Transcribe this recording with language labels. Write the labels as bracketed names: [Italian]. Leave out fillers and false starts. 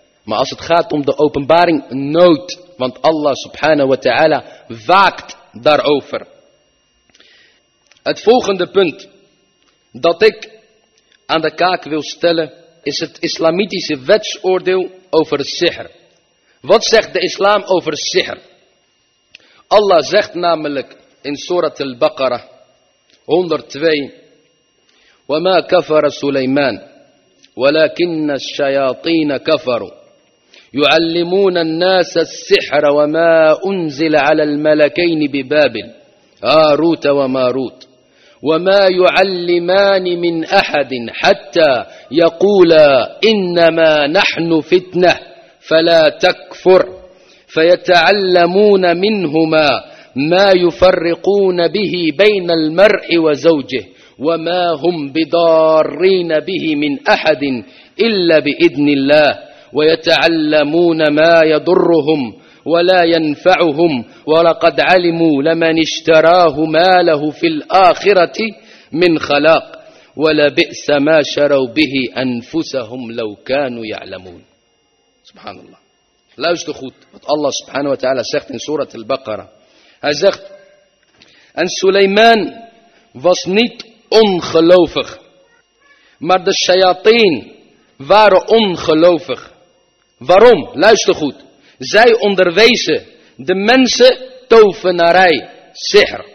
[Dutch] Maar als het gaat om de openbaring, nooit. Want Allah subhanahu wa ta'ala waakt daarover. Het volgende punt dat ik aan de kaak wil stellen, is het islamitische wetsoordeel over sihr. Wat zegt de islam over sihr? Allah zegt namelijk in Surat al-Baqarah 102: [Arabic] وَمَا كَفَرَ سُلَيْمَانَ وَلَكِنَّ الشَّيَاطِينَ كَفَرُوا يُعَلِّمُونَ النَّاسَ السِّحْرَ وَمَا أُنزِلَ عَلَى الْمَلَكَيْنِ بِبَابِلَ هاروت وماروت وما يعلمان من أحد حتى يقولا إنما نحن فتنة فلا تكفر فيتعلمون منهما ما يفرقون به بين المرء وزوجه وما هم بضارين به من أحد إلا بإذن الله ويتعلمون ما يضرهم ولا ينفعهم ولقد علموا لمن اشتراه ما له في الآخرة من خلاق ولبئس ما شروا به أنفسهم لو كانوا يعلمون. سبحان الله. [Dutch] Luister goed wat Allah subhanahu wa ta'ala zegt in Surat al-Baqarah. Hij zegt: en Suleiman was niet ongelovig, maar de shayateen waren ongelovig. Waarom? Luister goed. Zij onderwezen de mensen tovenarij, sihr.